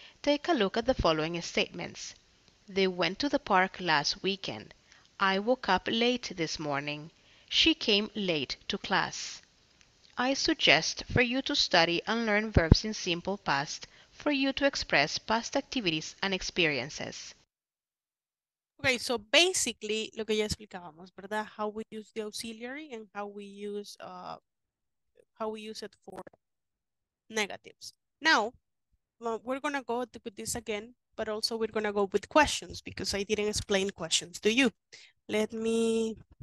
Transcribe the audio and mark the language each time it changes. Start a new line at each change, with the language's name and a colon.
English: Take a look at the following statements. They went to the park last weekend. I woke up late this morning. She came late to class. I suggest for you to study and learn verbs in simple past for you to express past activities and experiences. Okay, so basically,
Spanish: lo que ya explicábamos, ¿verdad?
English: How we use the auxiliary and how we use it for negatives. Now, well, we're going to go with this again, but also we're going to go with questions because I didn't explain questions to you. Okay.